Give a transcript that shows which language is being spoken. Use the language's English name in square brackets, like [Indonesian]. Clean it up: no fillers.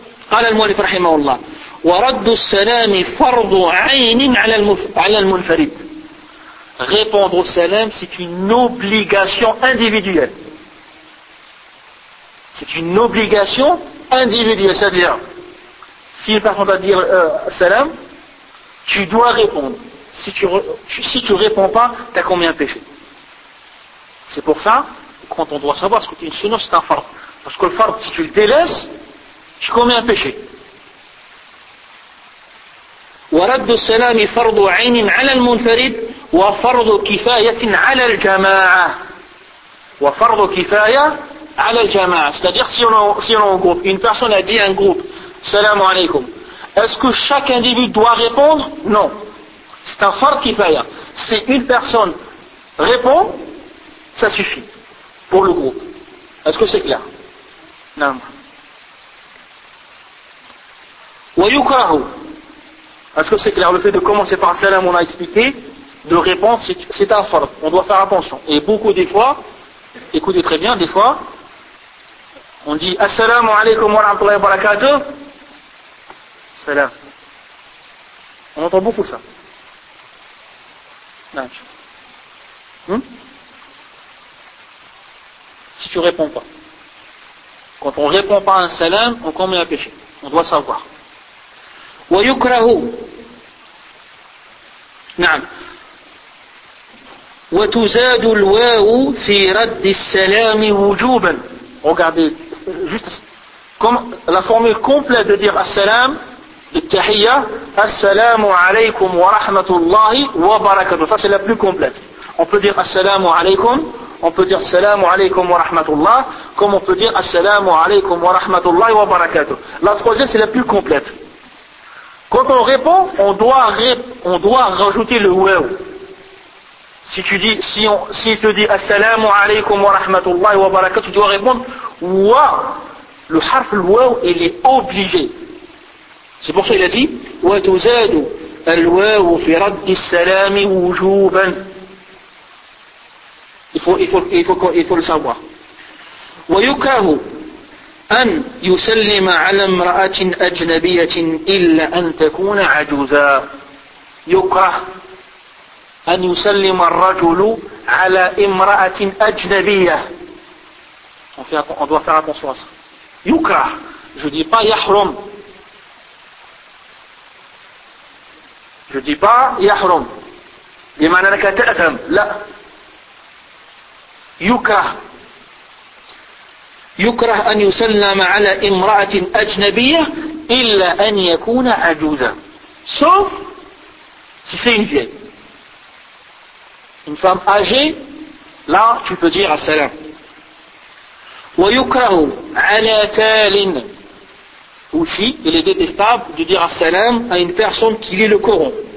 [Arabic] قال المؤلف رحمه الله ورد السلام فرض عين على المنفرد. [French] Répondre au salam, c'est une obligation individuelle. C'est une obligation individuelle. C'est-à-dire, si une personne va dire salam, tu dois répondre. Si tu réponds pas, tu as combien de péchés? C'est pour ça, quand on doit savoir ce que tu es une sunna, c'est un fard. Parce que le fard, si tu le délaisses, tu commets un péché. [Arabic] ورد السلام فرض عين على المنفرد وفرض كفاية على الجماعة. وفرض كفاية على الجماعة. [French] C'est-à-dire, si on en groupe, une personne a dit à un groupe, salam alaykum, est-ce que chaque individu doit répondre? Non. C'est un fard kifaya. Si une personne répond, ça suffit pour le groupe. Est-ce que c'est clair? Non. [Arabic] ويكره. [French] Est-ce que c'est clair? Le fait de commencer par salam, on a expliqué, de répondre, c'est un fard. On doit faire attention. Et beaucoup des fois, écoutez très bien, des fois, on dit assalamu alaikum wa rahmatullahi wa barakatuh. Salam. On entend beaucoup ça. Si tu réponds pas. Quand on répond pas à un salam, on commet un péché. On doit savoir. [Arabic] ويكره نعم وتزاد الواو في رد السلام وجوبا. [French] Regardez juste comme la formule complète de dire assalam, [Arabic] التحيه السلام عليكم ورحمه الله وبركاته. [French] Ça c'est la plus complète. On peut dire [Arabic] السلام عليكم, [French] on peut dire [Arabic] السلام عليكم ورحمه الله, [French] comme on peut dire [Arabic] السلام عليكم ورحمه الله وبركاته. [French] La troisième c'est la plus complète. Quand on répond, on doit rajouter le waw. Si tu dis, si tu dis assalamu alaykum wa rahmatullahi wa barakatuh, tu dois répondre wa. Le harf le waw, il est obligé. C'est pour ça qu'il a dit [Arabic] wa tuzadu al waw fi raddi salami wujuban. [French] Il faut le savoir. [Arabic] Wa yukrahu أن يسلم على امرأة أجنبية إلا أن تكون عجوزا. يكره أن يسلم الرجل على امرأة أجنبية. [French] On doit faire attention à ça. [Arabic] يكره. [French] Je dis pas يحرم. Je dis pas يحرم. [Arabic] بمعنى أنك تأثم. لا. يكره. يكره أن يسلم على امرأة أجنبية إلا أن يكون عجوزا. [French] Sauf si c'est une vieille. Une femme âgée, là tu peux dire assalam. [Arabic] ويكره على تال. [French] Aussi, il est détestable de dire assalam à une personne qui lit le Coran.